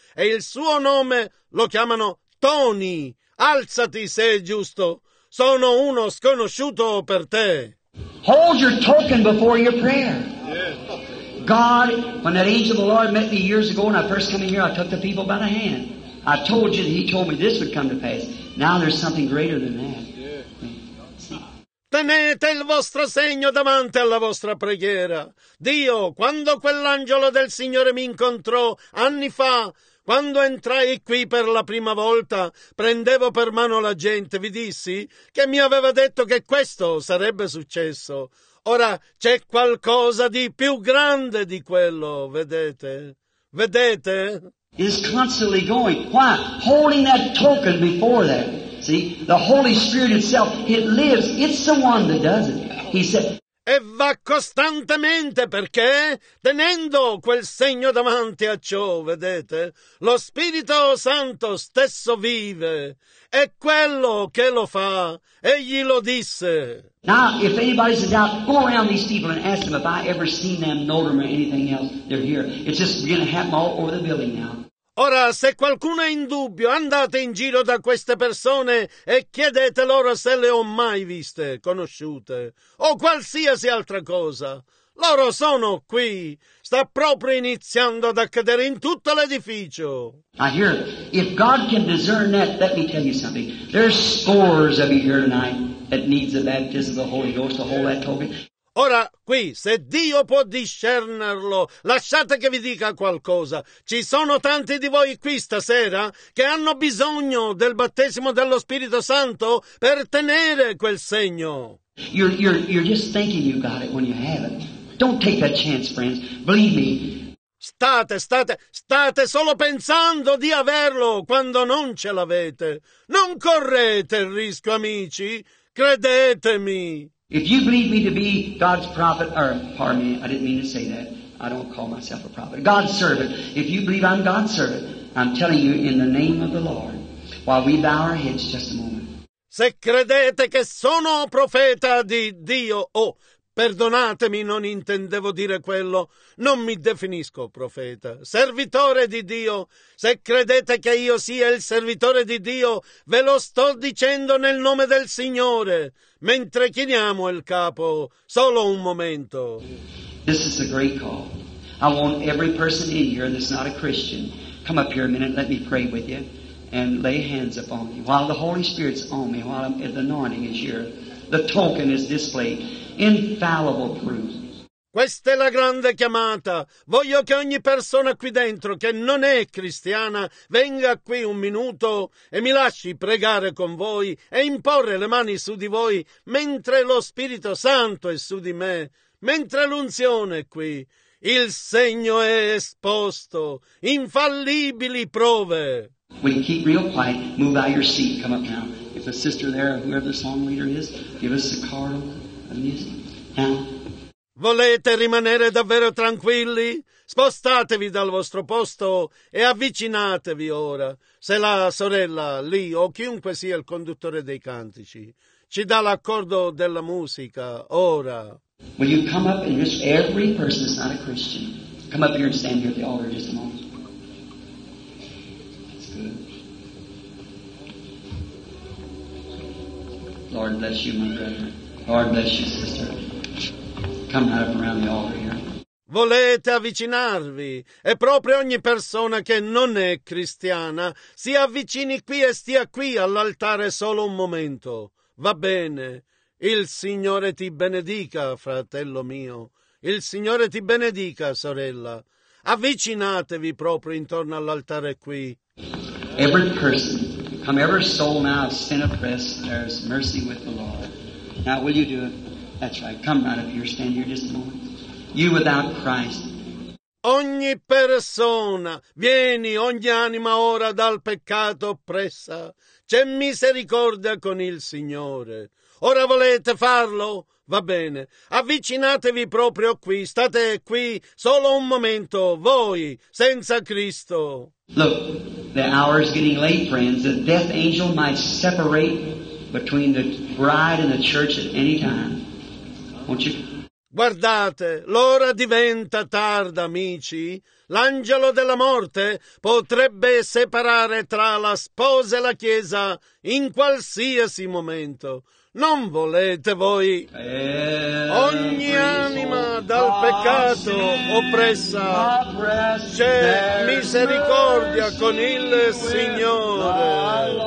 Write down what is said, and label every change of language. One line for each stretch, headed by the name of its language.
Italian: E il suo nome lo chiamano Tony. Alzati se è giusto. Sono uno sconosciuto per te.
English: Hold your token before your prayer. God, when that angel of the Lord met me years ago when I first came in here, I took the people by the hand. I told you that he told me this would come to pass. Now there's something greater than that.
Italian: Tenete il vostro segno davanti alla vostra preghiera. Dio, quando quell'angelo del Signore mi incontrò anni fa, quando entrai qui per la prima volta, prendevo per mano la gente, vi dissi che mi aveva detto che questo sarebbe successo. Ora c'è qualcosa di più grande di quello, vedete? Vedete?
English: Is constantly going. Why? Holding that token before that. See? The Holy Spirit itself, it lives. It's the one that does it. He said.
Italian: E va costantemente perché tenendo quel segno davanti a ciò, vedete, lo Spirito Santo stesso vive. È quello che lo fa. Egli lo disse.
English: Now, if anybody's in doubt, go around these people and ask them if I ever seen them, know them or anything else. They're here. It's just going to happen all over the building now.
Italian: Ora, se qualcuno è in dubbio, andate in giro da queste persone e chiedete loro se le ho mai viste, conosciute, o qualsiasi altra cosa. Loro sono qui. Sta proprio iniziando ad accadere in tutto l'edificio.
English: I hear it. If God can discern that, let me tell you something. There's scores of you here tonight that needs the baptism of the Holy Ghost to hold that token.
Italian: Ora, qui, se Dio può discernerlo, lasciate che vi dica qualcosa. Ci sono tanti di voi qui stasera che hanno bisogno del battesimo dello Spirito Santo per tenere quel segno.
English: You're just thinking you got it when you have it. Don't take that chance, friends. Believe me.
Italian: State solo pensando di averlo quando non ce l'avete. Non correte il rischio, amici. Credetemi.
English: If you believe me to be God's prophet, or pardon me, I didn't mean to say that. I don't call myself a prophet. God's servant. If you believe I'm God's servant, I'm telling you in the name of the Lord, while we bow our heads just a moment.
Italian: Se credete che sono profeta di Dio, perdonatemi, non intendevo dire quello. Non mi definisco profeta, servitore di Dio. Se credete che io sia il servitore di Dio, ve lo sto dicendo nel nome del Signore. Mentre chiniamo il capo, solo un momento.
English: This is a great call. I want every person in here that's not a Christian, come up here a minute, let me pray with you and lay hands upon you. While the Holy Spirit's on me, while the anointing is here, the token is displayed. Infallible proof.
Italian: Questa è la grande chiamata. Voglio che ogni persona qui dentro che non è cristiana venga qui un minuto e mi lasci pregare con voi e imporre le mani su di voi mentre lo Spirito Santo è su di me, mentre l'unzione è qui. Il segno è esposto. Infallibili prove.
English: Will you keep real quiet? Move out of your seat. Come up now. If a sister there, whoever the song leader is, give us a card of music. Now.
Italian: Volete rimanere davvero tranquilli? Spostatevi dal vostro posto e avvicinatevi ora. Se la sorella lì o chiunque sia il conduttore dei cantici ci dà l'accordo della musica, ora.
English: Will you come up and just every person that's not a Christian, come up here and stand here at the altar just a moment. Lord bless you, my brother. Lord bless you, sister. Come out from around the altar here.
Italian: Volete avvicinarvi? E proprio ogni persona che non è cristiana si avvicini qui e stia qui all'altare solo un momento. Va bene. Il Signore ti benedica, fratello mio. Il Signore ti benedica, sorella. Avvicinatevi proprio intorno all'altare qui.
English: Every person, come every soul now of sin oppressed, there is mercy with the Lord. Now will you do it? That's right. Come right up here, stand here just a moment. You without Christ.
Italian: Ogni persona, vieni ogni anima ora dal peccato oppressa. C'è misericordia con il Signore. Ora volete farlo? Va bene. Avvicinatevi proprio qui. State qui solo un momento, voi, senza Cristo.
English: Look, the hour is getting late, friends. The death angel might separate between the bride and the church at any time. Won't you?
Italian: Guardate, l'ora diventa tarda, amici. L'angelo della morte potrebbe separare tra la sposa e la chiesa in qualsiasi momento. Non volete voi ogni anima dal peccato oppressa, c'è misericordia con il Signore.